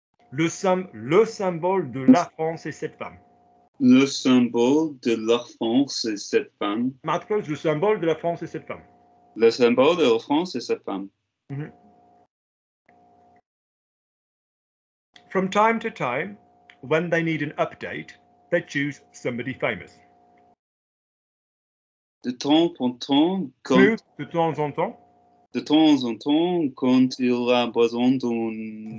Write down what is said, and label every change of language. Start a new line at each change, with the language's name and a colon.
French: Le symbole de la France est cette femme. Le symbole de la France est cette femme. Matros, le symbole de la France est cette femme. Le symbole de la France est cette femme. Mm-hmm.
English: From time to time, when they need an update, they choose somebody famous.
French: De temps en temps, quand... De temps en temps, quand il a besoin d'un...